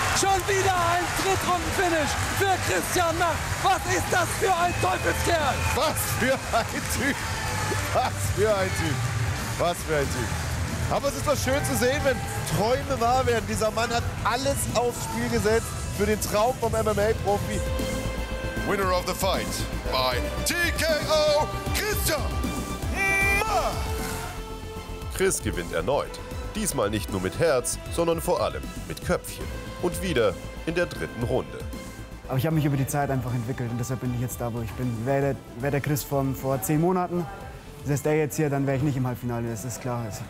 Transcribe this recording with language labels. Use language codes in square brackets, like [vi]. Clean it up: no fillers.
[de] Schon wieder ein Drittrunden-Finish für Christian Mach! Was ist das für ein Teufelskerl? Was für ein Typ! Was für ein Typ! Was für ein Typ! Aber es ist doch schön zu sehen, wenn Träume wahr werden. Dieser Mann hat alles aufs Spiel gesetzt für den Traum vom MMA-Profi. [en] Winner of the fight by TKO Christian Mach! [de] Chris gewinnt erneut. Diesmal nicht nur mit Herz, sondern vor allem mit Köpfchen. Und wieder in der dritten Runde. Aber ich habe mich über die Zeit einfach entwickelt und deshalb bin ich jetzt da, wo ich bin. Wäre der Chris vor 10 Monaten, ist der jetzt hier, dann wäre ich nicht im Halbfinale, das ist klar.